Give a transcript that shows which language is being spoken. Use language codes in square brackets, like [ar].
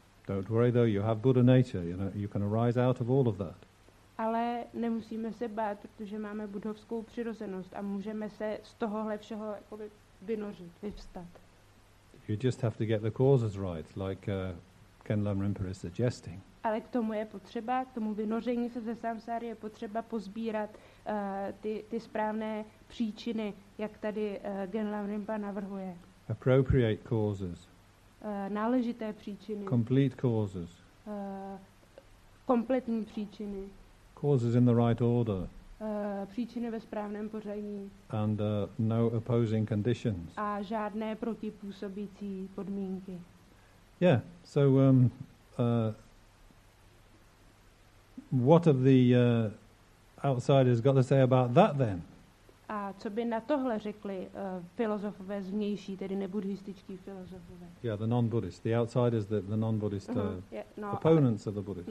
[en] Don't worry though, you have Buddha nature, you know, you can arise out of all of that. [cs] Ale nemusíme se bát, protože máme buddhovskou přirozenost a můžeme se z tohohle všeho jakoby vynořit, vyvstat. [en] You just have to get the causes right, like Kenlam Rinpoche is suggesting. [cs] Ale k tomu je potřeba, k tomu vynoření se ze samsáry je potřeba pozbírat ty správné příčiny, jak tady Genlam Rinpa navrhuje. [en] Appropriate causes. [cs] Náležité příčiny. [en] Complete causes. [cs] Kompletní příčiny. [en] Causes in the right order. [cs] Příčiny ve správném pořadí. [en] And no opposing conditions. [cs] A žádné protipůsobící podmínky. [en] Yeah, so what have the outsiders got to say about that then? [cs] A co by na tohle řekli filozofové zvnější, tedy nebuddhističtí filozofové? [en] Yeah, the non-Buddhists, the outsiders, the non-Buddhist opponents of the Buddhists.